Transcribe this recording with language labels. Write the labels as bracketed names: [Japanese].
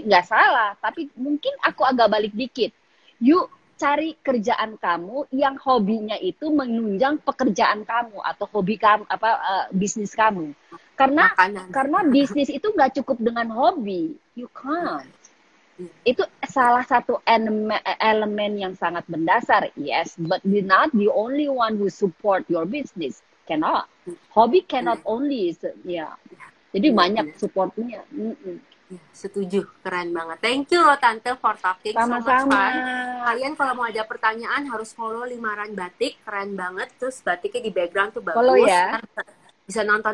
[Indonesian] Nggak salah, tapi mungkin aku agak balik dikit. Yuk cari kerjaan kamu yang hobinya itu menunjang pekerjaan kamu atau hobi kamu, apa bisnis kamu. Karena makanan. Karena bisnis itu nggak cukup dengan hobi. [English] You can't. [Indonesian] Itu salah satu elemen yang sangat mendasar, yes. [English] But you're not the only one who support your business. Cannot. Hobby cannot only. [Indonesian] Jadi banyak supportnya. Setuju. Keren banget. [English] Thank you [Indonesian] loh Tante [English] for talking. [Indonesian] Sama-sama. Kalian kalau mau ada pertanyaan harus follow Limaran Batik. Keren banget. Terus batiknya di background tuh bagus. Follow ya. Bisa nonton